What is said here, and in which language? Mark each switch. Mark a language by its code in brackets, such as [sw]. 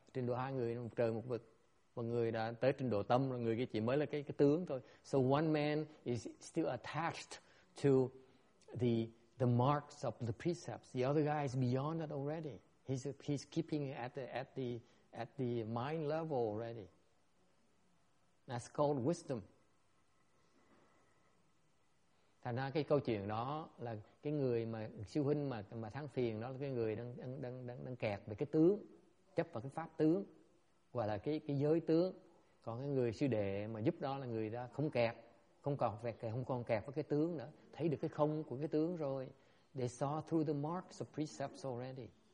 [vi] Trình độ hai người trời một vực. Một người đã tới trình độ tâm, người kia chỉ mới là cái tướng thôi. [en] So one man is still attached to the marks of the precepts. The other guy is beyond that already. He's keeping it at the mind level already. That's called wisdom. [vi] Thành ra cái câu chuyện đó là cái người mà siêu huynh mà thắng phiền đó là cái người đang kẹt về cái tướng, chấp vào cái pháp tướng và là cái giới tướng. Còn cái người sư đệ mà giúp đó là người đó không kẹt, không còn kẹt với cái tướng nữa, thấy được cái không của cái tướng rồi. [en] They saw through the marks of precepts already.